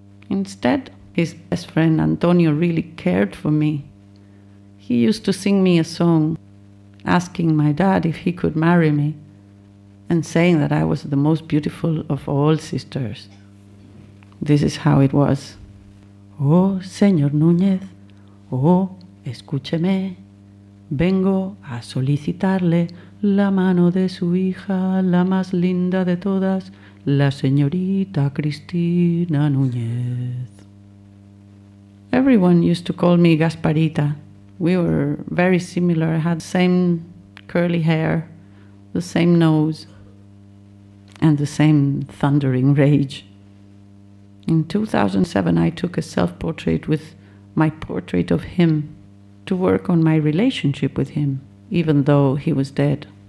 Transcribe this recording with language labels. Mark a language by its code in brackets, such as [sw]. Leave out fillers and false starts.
[en] Instead, his best friend Antonio really cared for me. He used to sing me a song, asking my dad if he could marry me, and saying that I was the most beautiful of all sisters. This is how it was. [es] Oh, señor Núñez, oh, escúcheme. Vengo a solicitarle La mano de su hija, la más linda de todas, la señorita Cristina Nuñez. [en] Everyone used to call me Gasparita. We were very similar, had the same curly hair, the same nose, and the same thundering rage. In 2007, I took a self-portrait with my portrait of him to work on my relationship with him, even though he was dead.